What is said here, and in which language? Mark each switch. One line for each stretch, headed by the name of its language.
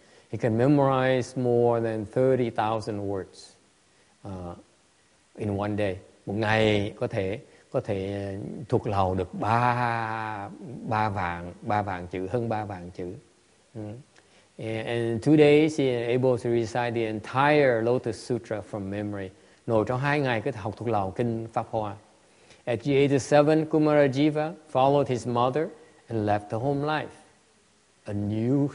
English: He can memorize more than 30,000 words in one day.
Vietnamese: Một ngày có thể thuộc lầu được ba vạn chữ, hơn 3 vạn chữ.
English: And in 2 days, he is able to recite the entire Lotus Sutra from memory.
Vietnamese: Nội trong 2 ngày có thể học thuộc lầu kinh Pháp Hoa.
English: At the age of 7, Kumara Jiva followed his mother and left the home life.